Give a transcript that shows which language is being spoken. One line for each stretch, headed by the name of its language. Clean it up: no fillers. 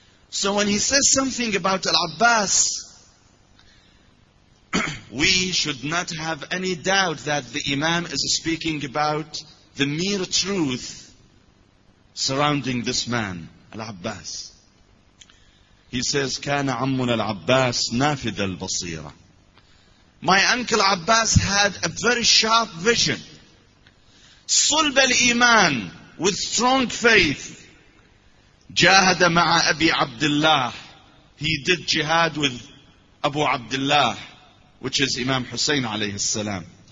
English: So when he says something about Al-Abbas, we should not have any doubt that the Imam is speaking about the mere truth surrounding this man, Al-Abbas. He says,
Arabic: كَانَ عَمُّنَ الْعَبَّاسِ نَافِذَ الْبَصِيرَةِ.
English: My uncle Abbas had a very sharp vision.
Arabic: صلب الإيمان,
English: with strong faith.
Arabic: جاهد مع أبي عبد الله.
English: He did jihad with Abu Abdullah, which is Imam Hussein
Arabic: عليه السلام.